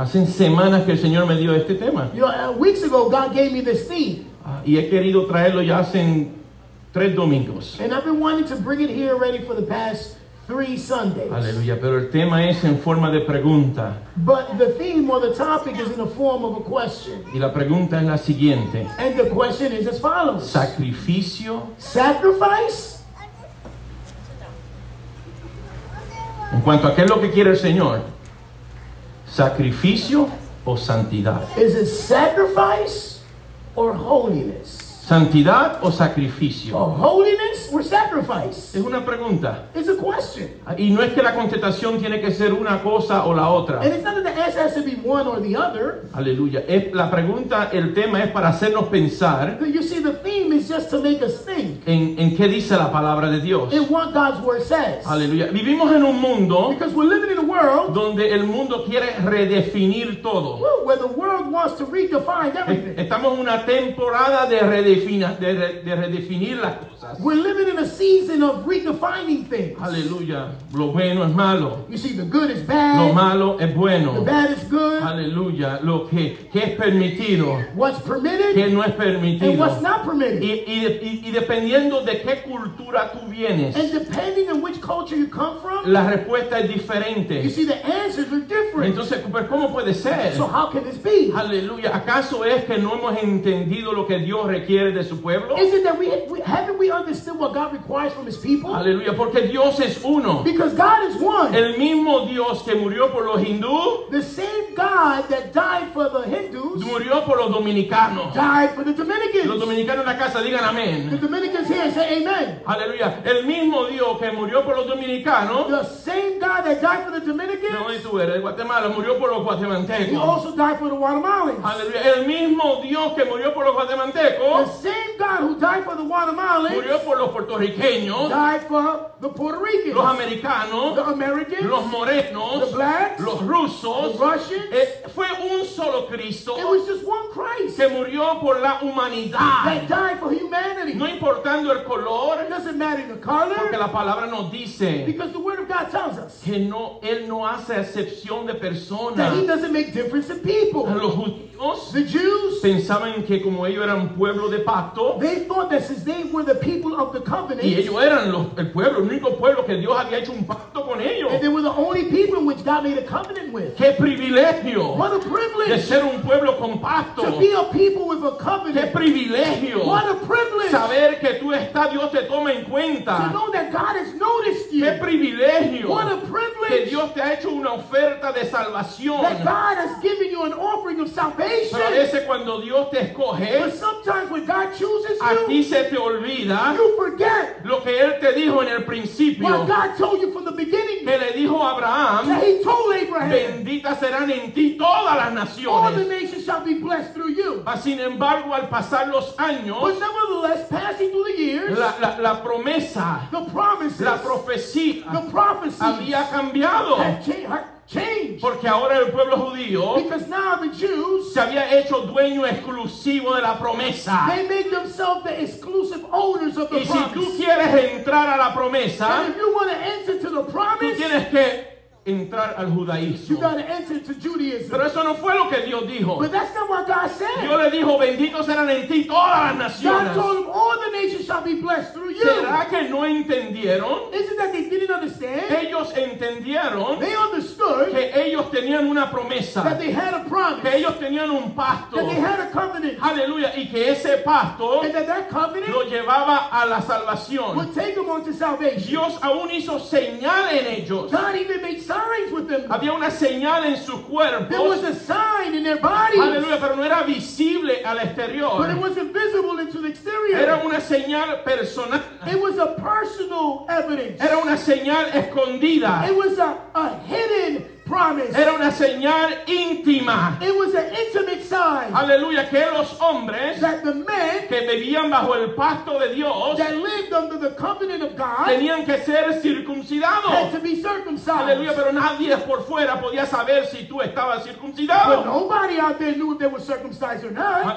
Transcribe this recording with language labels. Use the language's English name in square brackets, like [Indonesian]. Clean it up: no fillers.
[Spanish] Hace semanas que el Señor me dio este tema. [English] You know, weeks ago, God gave me this theme. [Spanish] Y he querido traerlo ya hace tres domingos. [English] And I've been wanting to bring it here already for the past three Sundays. [Spanish] Aleluya. Pero el tema es en forma de pregunta. [English] But the theme or the topic is in the form of a question. [Spanish] Y la pregunta es la siguiente. [English] And the question is as follows. [Spanish] Sacrificio. [English] Sacrifice. [Spanish] En cuanto a qué es lo que quiere el Señor, sacrificio o santidad. [English] Is it sacrifice or holiness? [Spanish] Santidad o sacrificio. [English] Or holiness or sacrifice. [Spanish] Es una pregunta. [English] It's a question. [Spanish] Y no es que la contestación tiene que ser una cosa o la otra. [English] And it's not that the answer has to be one or the other. [Spanish] Aleluya. Es la pregunta, el tema es para hacernos pensar. [English] But you see, the theme is just to make us think. [Spanish] En qué dice la palabra de Dios. [English] In what God's word says. [Spanish] Aleluya. Vivimos en un mundo. [English] Because we're living in a world. [Spanish] Donde el mundo quiere redefinir todo. [English] Where the world wants to redefine everything. [Spanish] Estamos en una temporada de redefinir las cosas. [English] We're living in a season of redefining things. [Spanish] Aleluya. Lo bueno es malo. [English] You see, the good is bad. [Spanish] Lo malo es bueno. [English] The bad is good. [Spanish] Aleluya. Lo que es permitido. [English] What's permitted. [Spanish] Que no es permitido. [English] And what's not permitted. [Spanish] Y dependiendo de qué cultura tú vienes. [English] And depending on which culture you come from. [Spanish] La respuesta es diferente. [English] You see, the answers are different. [Spanish] Entonces, pero ¿cómo puede ser? [English] So how can this be? [Spanish] Aleluya. ¿Acaso es que no hemos entendido lo que Dios requiere de su pueblo? [English] Is it that we haven't we understood what God requires from his people? [Spanish] Aleluya, porque Dios es uno. [English] Because God is one. [Spanish] El mismo Dios que murió por los hindúes. [English] The same God that died for the Hindus. [Spanish] Murió por los dominicanos. [English] Died for the Dominicans. [Spanish] Los dominicanos en la casa digan amén. [English] The Dominicans here say amen. [Spanish] Aleluya, el mismo Dios que murió por los dominicanos. [English] The same God that died for the Dominicans. [Spanish] No, y tú eres de Guatemala, murió por los guatemaltecos. [English] He also died for the Guatemalans. [Spanish] Aleluya, el mismo Dios que murió por los guatemaltecos. [English] The same God who died for the Guatemalans, [Spanish] murió por los puertorriqueños, [English] died for the Puerto Ricans, [Spanish] los americanos, [English] the Americans, [Spanish] los morenos, [English] the blacks, [Spanish] los rusos, [English] the Russians, [Spanish] fue un solo Cristo, [English] it was just one Christ, [Spanish] que murió por la humanidad, [English] that died for humanity, [Spanish] no importando el color, [English] it doesn't matter the color, [Spanish] porque la palabra nos dice, [English] because the word of God tells us, [Spanish] que no, él no hace excepción de personas, [English] that he doesn't make difference in people, [Spanish] los judíos, [English] the Jews, [Spanish] pensaban que como ellos eran pueblo de pacto. [English] They thought that since they were the people of the covenant. [Spanish] Y ellos eran el pueblo, el único pueblo que Dios había hecho un pacto con ellos. [English] And they were the only people in which God made a covenant with. [Spanish] Qué privilegio. [English] What a privilege. [Spanish] De ser un pueblo con pacto. [English] To be a people with a covenant. [Spanish] Qué privilegio. [English] What a privilege. [Spanish] Saber que tú estás, Dios te toma en cuenta. [English] To know that God has noticed you. [Spanish] Qué privilegio. [English] What a privilege. [Spanish] Que Dios te ha hecho una oferta de salvación. [English] That God has given you an offering of salvation. [Spanish] Pero a veces cuando Dios te escoge. [English] Sometimes when God chooses you, [Spanish] a ti se te olvida, [English] you forget [Spanish] lo que él te dijo en el principio, [English] what God told you from the beginning, [Spanish] que le dijo a Abraham, [English] that he told Abraham, [Spanish] bendita serán en ti todas las naciones, [English] all the nations shall be blessed through you. [Spanish] Mas sin embargo, al pasar los años, [English] but nevertheless, passing through the years, [Spanish] la promesa, [English] the promises, [Spanish] la profecía, [English] the prophecies, [Spanish] había cambiado. [English] Change. [Spanish] Porque ahora el pueblo judío, [English] because now the Jews, [Spanish] se había hecho dueño exclusivo de la promesa. [English] They made themselves the exclusive owners of the promise. [Spanish] Y si tú quieres entrar a la promesa, [English] and if you want to enter to the promise, [Spanish] tú tienes que entrar al judaísmo. [English] You gotta enter to Judaism. [Spanish] Pero eso no fue lo que Dios dijo. [English] But that's not what God said. [Spanish] Dios le dijo, benditos serán en ti todas las naciones. [English] God told them, all the nations shall be blessed through you. [Spanish] ¿Será que no entendieron? [English] Isn't that they didn't understand? [Spanish] Ellos entendieron. [English] They understood. [Spanish] Que ellos tenían una promesa. [English] That they had a promise. [Spanish] Que ellos tenían un pacto. [English] That they had a covenant. [Spanish] Aleluya. Y que ese pacto. [English] And that covenant. [Spanish] Lo llevaba a la salvación. [English] Would take them unto salvation. [Spanish] Dios aún hizo señal en ellos. [English] God even made signs. With them. [Spanish] Había una señal en su cuerpo. [English] There was a sign in their bodies. [Spanish] Aleluya, pero no era visible al exterior. [English] But it wasn't visible into the exterior. [Spanish] Era una señal personal. [English] It was a personal evidence. [Spanish] Era una señal escondida. [English] It was a hidden promise. [Spanish] Era una señal íntima. [English] It was an intimate sign. [Spanish] Aleluya, que los hombres [English] that the men [Spanish] que vivían bajo el pacto de Dios [English] that lived under the covenant of God [Spanish] tenían que ser circuncidados. [English] Had to be circumcised. [Spanish] Aleluya, pero nadie por fuera podía saber si tú estabas circuncidado. [English] But nobody out there knew if they were circumcised or not.